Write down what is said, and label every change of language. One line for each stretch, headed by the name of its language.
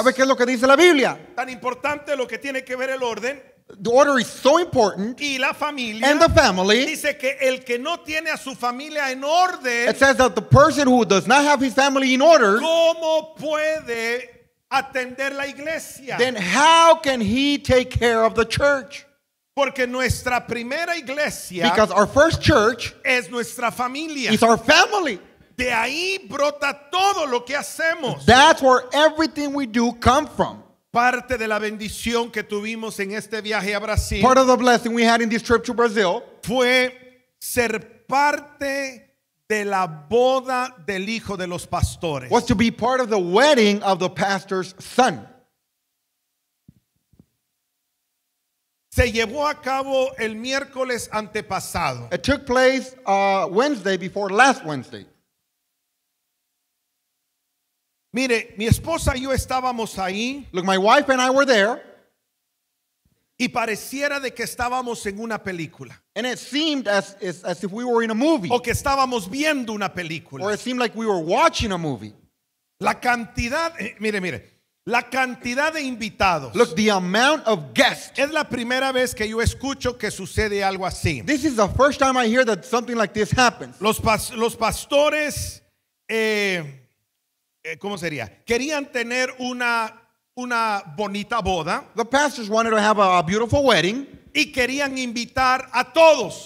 Spanish: ¿Sabe qué es lo que dice la Biblia? Tan importante lo que tiene que ver el orden.
English: The order is so important.
Spanish: Y la familia,
English: and the family.
Spanish: Dice que el que no tiene a su familia en orden,
English: it says that the person who does not have his family in order.
Spanish: ¿Cómo puede atender la iglesia?
English: Then how can he take care of the church?
Spanish: Porque nuestra primera iglesia,
English: because our first church,
Spanish: es nuestra familia,
English: is our family.
Spanish: De ahí brota todo lo que hacemos.
English: That's where everything we do come from.
Spanish: Parte de la bendición que tuvimos en este viaje a Brasil,
English: part of the blessing we had in this trip to Brazil,
Spanish: fue ser parte de la boda del hijo de los pastores,
English: was to be part of the wedding of the pastor's son.
Spanish: Se llevó a cabo el miércoles antepasado.
English: It took place Wednesday before last Wednesday.
Spanish: Mire, mi esposa y yo estábamos ahí.
English: Look, my wife and I were there.
Spanish: Y pareciera de que estábamos en una película.
English: And it seemed as if we were in a movie.
Spanish: O que estábamos viendo una película.
English: Or it seemed like we were watching a movie.
Spanish: La cantidad, mire. La cantidad de invitados.
English: Look, the amount of guests.
Spanish: Es la primera vez que yo escucho que sucede algo así.
English: This is the first time I hear that something like this happens.
Spanish: Los pastores, ¿cómo sería? Querían tener una bonita boda.
English: The pastors wanted to have a beautiful wedding.
Spanish: Y querían invitar a todos.